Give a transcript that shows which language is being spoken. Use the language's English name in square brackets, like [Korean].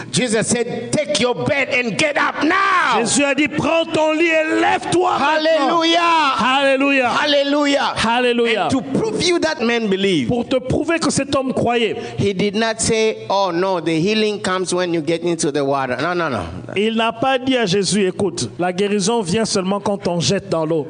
[English] Jesus said, "Take your bed and get up now." [French] Jésus a dit, prends ton lit et lève-toi. [English] Hallelujah! [French] Hallelujah! [English] Hallelujah! [French] Hallelujah! [English] And to prove you that man believed. [French] Pour te prouver que cet homme croyait. [English] He did not say, "Oh no, the healing comes when you get into the water." No, no, no. [French] Il n'a pas dit à Jésus, écoute, la guérison vient seulement quand on jette dans l'eau.